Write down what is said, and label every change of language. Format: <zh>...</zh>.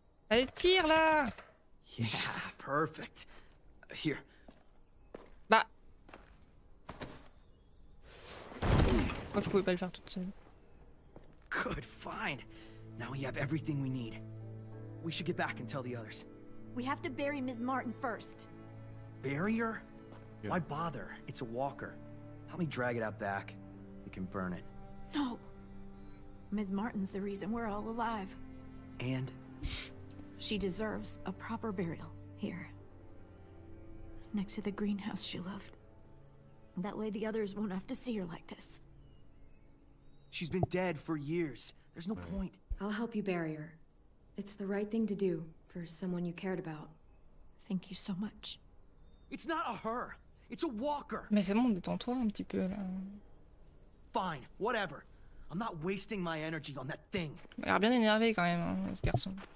<fr>Allez, tire là.</fr> <en>Yeah, perfect. Here. Bah.</en> <fr>Moi, je pouvais pas le faire toute seule.</fr> <en>Good find. Now we have everything we need. We should get back and tell the others. We have to bury Ms. Martin first. Bury her? Yeah. Why bother? It's a walker. Help me drag it out back. We can burn it. No. Ms. Martin's the reason we're all alive. And? She deserves a proper burial here. Next to the greenhouse she loved. That way the others won't have to see her like this. She's been dead for years. There's no point. I'll help you bury her. It's the right thing to do for someone you cared about. Thank you so much. It's not a her. It's a walker.</en> <fr>Mais c'est bon, détends-toi un petit peu là.</fr> <en>Fine, whatever. I'm not wasting my energy on that thing.</en> <fr>Il a l'air bien énervé quand même, hein, ce garçon.</fr>